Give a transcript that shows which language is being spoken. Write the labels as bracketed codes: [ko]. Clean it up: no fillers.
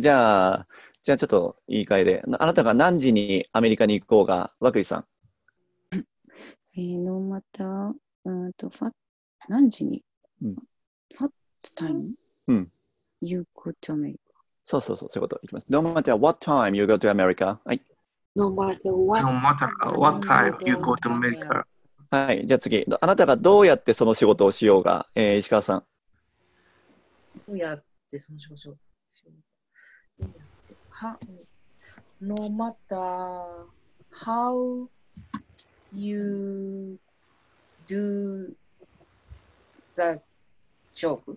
[ja] じゃあちょっと言い換えで。あなたが何時にアメリカに行こうが、和久井さん。 [en] No matter, what, [ja] 何時に、うん、 [en] what time?、 [ja] うん [en] You go to America. [ja] そうそうそう、そういうこと。いきます。 [en] No matter what time you go to America. [ja] はい。 [en] No matter what time you go to America. [ja] はい。じゃあ次。あなたがどうやってその仕事をしようが、石川さん。どうやってその仕事をしようが。 [en] No matter how you do the job.